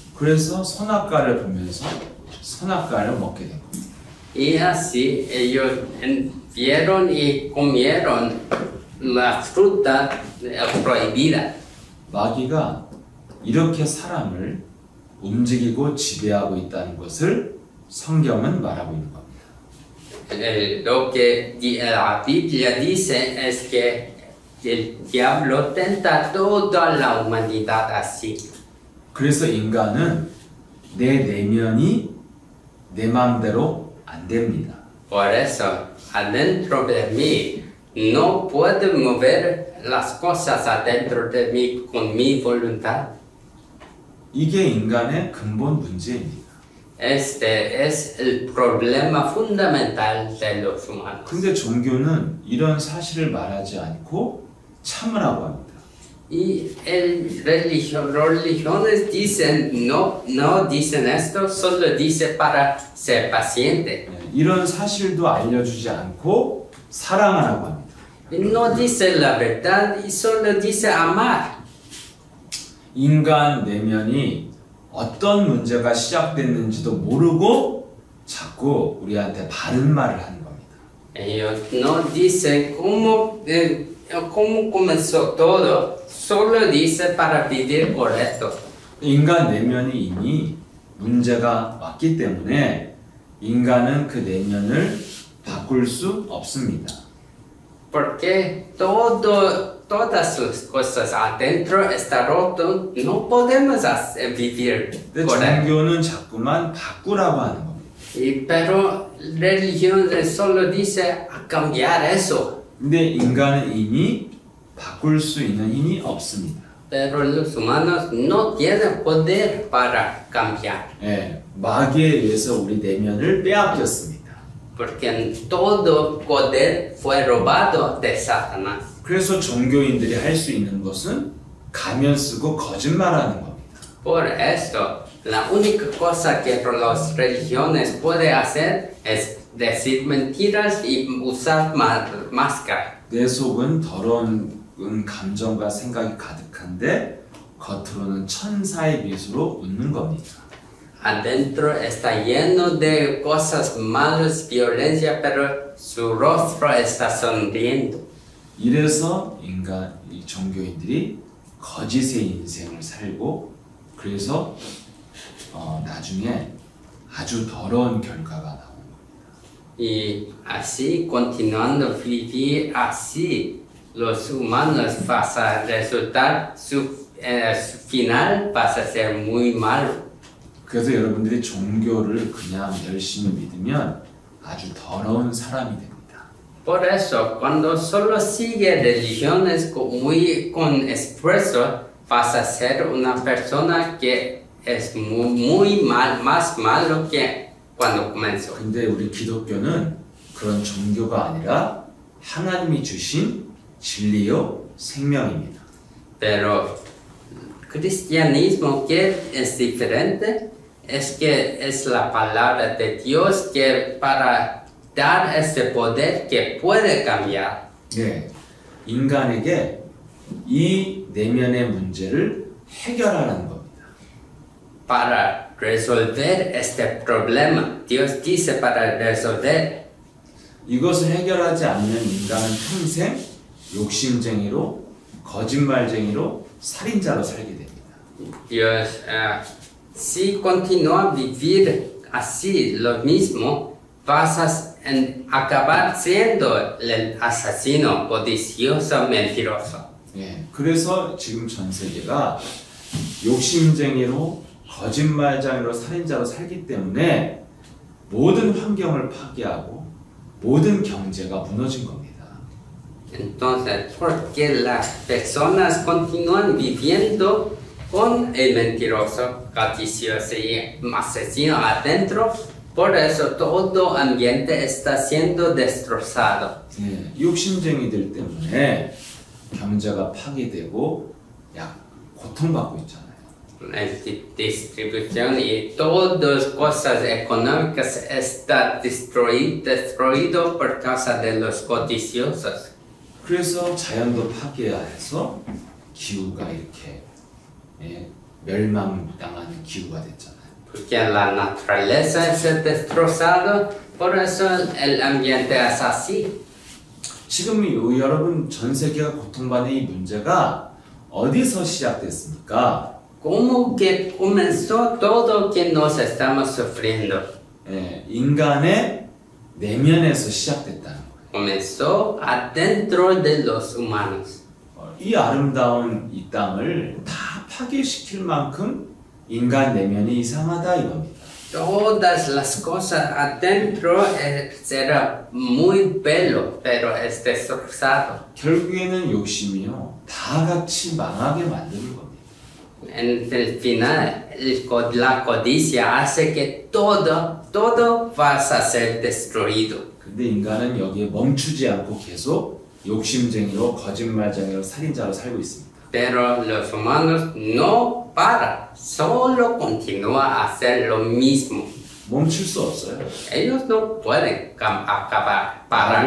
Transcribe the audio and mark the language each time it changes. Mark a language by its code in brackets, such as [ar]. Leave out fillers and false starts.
[ko] 그래서 선악과를 보면서 선악과를 먹게 된 겁니다. [es] Y así ellos vieron y comieron la fruta prohibida. [ko] 마귀가 이렇게 사람을 움직이고 지배하고 있다는 것을 성경은 말하고 있는 겁니다. [es] Lo que la Biblia dice es que el diablo tenta toda la humanidad así. [ko] 그래서 인간은 내 내면이 내 마음대로 안 됩니다. [es] Por eso, adentro de mí, no puedo mover las cosas adentro de mí con mi voluntad. [ko] 이게 인간의 근본 문제입니다. [es] Este es el problema fundamental de los humanos. [ko] 근데 종교는 이런 사실을 말하지 않고 참으라고 합니다. [es] Y el religiones dicen no dicen esto, solo dice para ser paciente. [ko] 이런 사실도 알려주지 않고 사랑하라고 합니다. [es] No dice la verdad, solo dice amar. [ko] 인간 내면이 어떤 문제가 시작됐는지도 모르고 자꾸 우리한테 바른 말을 하는 겁니다. [es] Ellos no dicen cómo comenzó todo. Solo dice para pedir por esto. [ko] 인간 내면이 이미 문제가 왔기 때문에 인간은 그 내면을 바꿀 수 없습니다. [es] Porque todas sus cosas adentro está roto, no podemos vivir por [ko] 종교는 자꾸만 바꾸라고 하는 겁니다. [es] Pero religión solo dice a cambiar eso. [ko] 근데 인간은 이미 바꿀 수 있는 힘이 없습니다. [es] Pero los humanos no tienen poder para cambiar. [ko] 예, 마귀에 의해서 우리 내면을 빼앗겼습니다. [es] Porque todo poder fue robado de Satanás. [ko] 그래서 종교인들이 할 수 있는 것은 가면 쓰고 거짓말하는 겁니다. [es] Por esto, la única cosa que las religiones pueden hacer es decir mentiras y usar máscara. [ko] 내 속은 더러운 감정과 생각이 가득한데 겉으로는 천사의 미소로 웃는 겁니다. [es] Adentro está lleno de cosas malas, violencia, pero su rostro está sonriendo. [ko] 이래서 인간, 이 종교인들이 거짓의 인생을 살고 그래서 나중에 아주 더러운 결과가 나옵니다. [es] Y así, continuando vivir así, los humanos van a resultar, su final va a ser muy malo. [ko] 그래서 여러분들이 종교를 그냥 열심히 믿으면 아주 더러운 사람이 됩니다. [es] Por eso, cuando solo sigue religiones muy con esfuerzo, vas a ser una persona que es muy mal, más malo que [ko] 근데 우리 기독교는 그런 종교가 아니라 하나님이 주신 진리요 생명입니다. [es] Pero cristianismo que es diferente es que es la palabra de Dios que para dar ese poder que puede cambiar. [ko] 네, 인간에게 이 내면의 문제를 해결하라는 겁니다. [es] para resolver este problema. Dios dice para resolver. [ko] 이것을 해결하지 않는 인간은 평생 욕심쟁이로, 거짓말쟁이로, 살인자로 살게 됩니다. [es] Dios, si continúa vivir así lo mismo, vas a acabar siendo el asesino, codicioso, mentiroso. [ko] 예, 그래서 지금 전 세계가 욕심쟁이로, 거짓말쟁이로, 살인자로 살기 때문에 모든 환경을 파괴하고 모든 경제가 무너진 겁니다. [es] Entonces, ¿por qué las personas continúan viviendo con el mentiroso, codicioso y asesino adentro? Por eso todo ambiente está siendo destrozado. [ko] 예, 욕심쟁이들 때문에 경제가 파괴되고 약 고통받고 있잖아요. [es] La distribución y todas cosas económicas está destruido por causa de los codiciosos. [ko] 그래서 자연도 파괴해서 기후가 이렇게 예, 멸망당하는 기후가 됐잖아요. [es] Porque la naturaleza es destrozada, por eso el ambiente es así. [ko] 지금 여러분 전 세계가 고통받는 이 문제가 어디서 시작됐습니까? [es] ¿Cómo que comenzó todo que nos estamos sufriendo? [ko] 예, 인간의 내면에서 시작됐다는 거예요. [es] Comenzó adentro de los humanos. [ko] 이 아름다운 이 땅을 다 파괴시킬 만큼 인간 내면이 이상하다 이겁니다. [es] Todas las cosas adentro será muy bello, pero es destrozado. [ko] 결국에는 욕심이요, 다 같이 망하게 만드는 겁니다. [es] En el final, la codicia hace que todo va a ser destruido. [ko] 근데 인간은 여기에 멈추지 않고 계속 욕심쟁이로, 거짓말쟁이로, 살인자로 살고 있습니다. [es] Pero los humanos no para, solo continúa a hacer lo mismo. [ko] 멈출 수 없어요. [es] Ellos no pueden acabar, parar.